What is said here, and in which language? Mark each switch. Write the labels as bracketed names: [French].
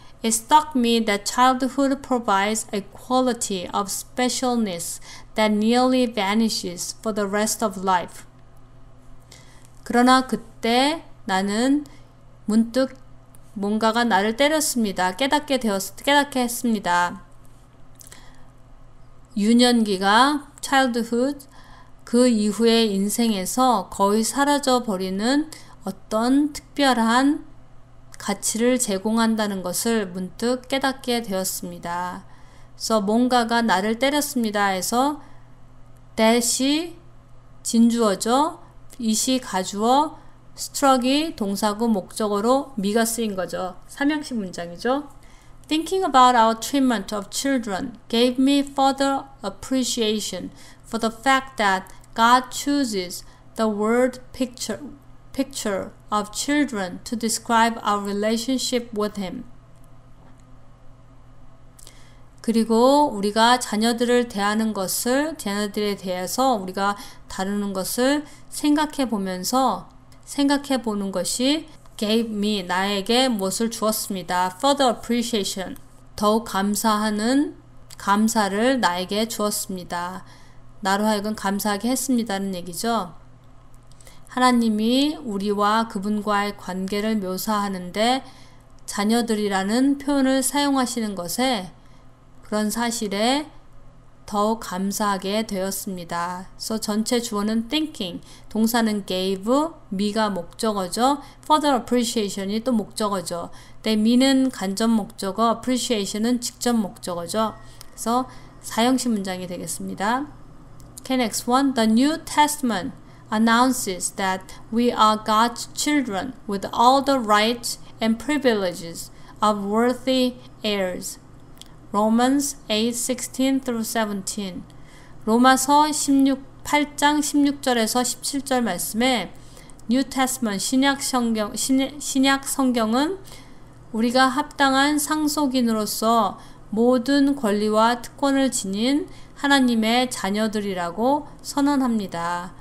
[English] It struck me that childhood provides a quality of specialness that nearly vanishes for the rest of life. [Korean] 그러나 그때 나는 문득 뭔가가 나를 때렸습니다. 깨닫게 했습니다. 유년기가 childhood 그 이후의 인생에서 거의 사라져 버리는 어떤 특별한 가치를 제공한다는 것을 문득 깨닫게 되었습니다. 그래서 뭔가가 나를 때렸습니다. 해서 that이 진주어죠. it이 가주어. Struck이 동사고 목적으로 me가 쓰인 거죠. 삼형식 문장이죠. [English] Thinking about our treatment of children gave me further appreciation for the fact that God chooses the word picture, picture of children to describe our relationship with him. [Korean] 그리고 우리가 자녀들을 대하는 것을, 자녀들에 대해서 우리가 다루는 것을 생각해 보면서 생각해 보는 것이 [English] gave me, [Korean] 나에게 무엇을 주었습니다. [English] Further appreciation, [Korean] 더욱 감사하는 감사를 나에게 주었습니다. 나로 하여금 감사하게 했습니다는 얘기죠. 하나님이 우리와 그분과의 관계를 묘사하는데 자녀들이라는 표현을 사용하시는 것에 그런 사실에 더욱 감사하게 되었습니다. 그래서 전체 주어는 thinking, 동사는 gave, me가 목적어죠. [English] Further appreciation [Korean] 이 또 목적어죠. me는 간접 목적어, appreciation은 직접 목적어죠. 그래서 사형식 문장이 되겠습니다. [English] Okay, next one. The New Testament announces that we are God's children with all the rights and privileges of worthy heirs. Romans 8:16-17. [Korean] 로마서 8장 16절에서 17절 말씀에 New Testament 신약 성경은 우리가 합당한 상속인으로서 모든 권리와 특권을 지닌 하나님의 자녀들이라고 선언합니다.